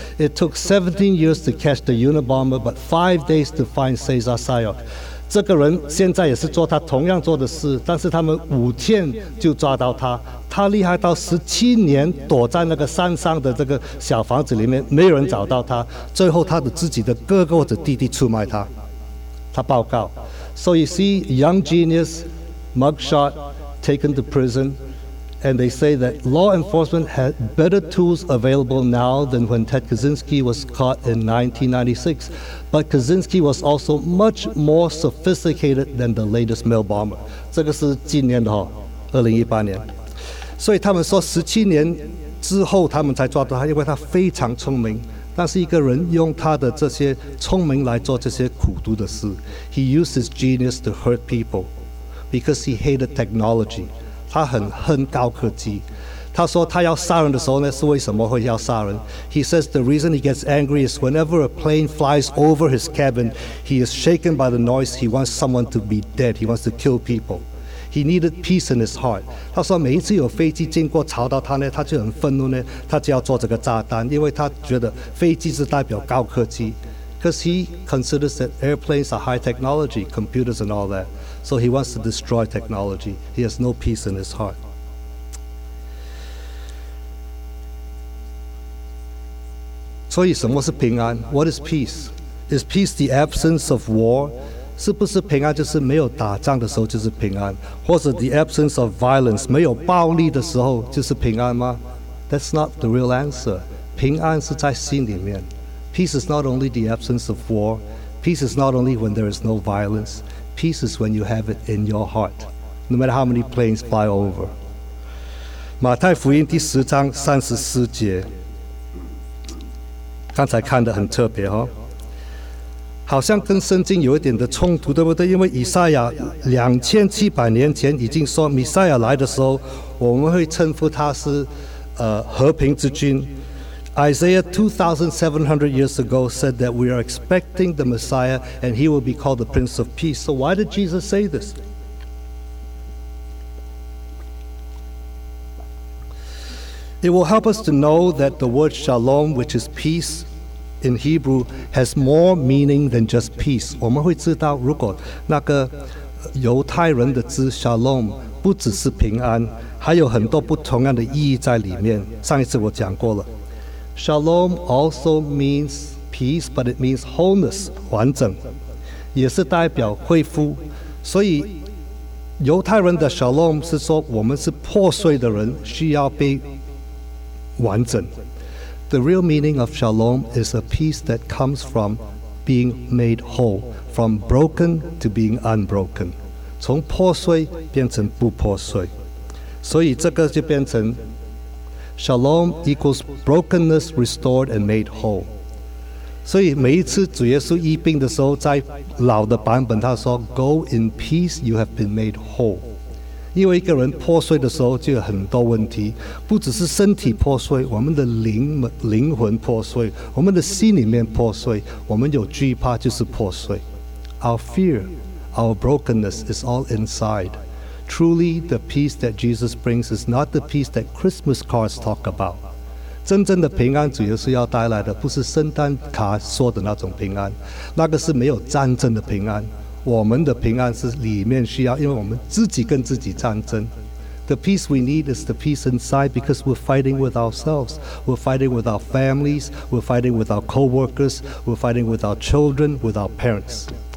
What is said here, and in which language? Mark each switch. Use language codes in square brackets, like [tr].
[en] It took 17 years to catch the Unabomber, but 5 days to find Cesar Sayoc. [zh] 这个人现在也是做他同样做的事，但是他们5天就抓到他。他厉害到17年躲在那个山上的这个小房子里面，没有人找到他。最后他的自己的哥哥或者弟弟出卖他，他报告。 [en] So you see, young genius, mugshot, taken to prison. And they say that law enforcement had better tools available now than when Ted Kaczynski was caught in 1996. But Kaczynski was also much more sophisticated than the latest mail bomber. [zh] 这个是今年的哈，2018年。所以他们说17年之后他们才抓到他，因为他非常聪明。但是一个人用他的这些聪明来做这些苦毒的事。 [en] He used his genius to hurt people because he hated technology. [zh] 他很恨高科技。他说他要杀人的时候呢，是为什么会要杀人？ [en] He says the reason he gets angry is whenever a plane flies over his cabin, he is shaken by the noise. He wants someone to be dead. He wants to kill people. He needed peace in his heart. [zh] 他说每一次有飞机经过吵到他呢，他就很愤怒呢，他就要做这个炸弹，因为他觉得飞机是代表高科技。 [en] Because he considers that airplanes are high technology, computers and all that. So he wants to destroy technology. He has no peace in his heart. So, [zh] 什么是平安? [en] What is peace? Is peace the absence of war? [zh] 是不是平安就是没有打仗的时候就是平安? 或者 [en] the absence of violence, [zh] 没有暴力的时候就是平安吗? [en] That's not the real answer. [zh] 平安是在心里面。 [en] Peace is not only the absence of war. Peace is not only when there is no violence. Peace is when you have it in your heart, no matter how many planes fly over. [zh] 马太福音第十章三十四节，刚才看得很特别哦，好像跟圣经有一点的冲突，对不对？因为以赛亚2700年前已经说，弥赛亚来的时候，我们会称呼他是和平之君。 [en] Isaiah 2,700 years ago said that we are expecting the Messiah and he will be called the Prince of Peace. So why did Jesus say this? It will help us to know that the word shalom, which is peace in Hebrew, has more meaning than just peace. [zh] 我们会知道如果那个犹太人的字 shalom 不只是平安，还有很多不同样的意义在里面。上一次我讲过了。 [en] Shalom also means peace, but it means wholeness, 完整， [zh] 也是代表恢复。所以犹太人的 Shalom 是说我们是破碎的人，需要被完整。 [en] The real meaning of Shalom is a peace that comes from being made whole, from broken to being unbroken. [zh] 从破碎变成不破碎。所以这个就变成 [en] Shalom equals brokenness restored and made whole. [zh] 所以每一次主耶稣医病的时候，在老的版本他说 [en] "Go in peace, you have been made whole." [zh] 因为一个人破碎的时候就有很多问题，不只是身体破碎，我们的灵魂破碎，我们的心里面破碎，我们有惧怕就是破碎。 [en] Our fear, our brokenness is all inside. Truly, the peace that Jesus brings is not the peace that Christmas cards talk about. [zh] 真正的平安主耶稣要带来的不是圣诞卡说的那种平安，那个是没有战争的平安。我们的平安是里面需要，因为我们自己跟自己战争。 [en] The peace we need is the peace inside because we're fighting with ourselves. We're fighting with our families. We're fighting with our co-workers. We're fighting with our children, with our parents.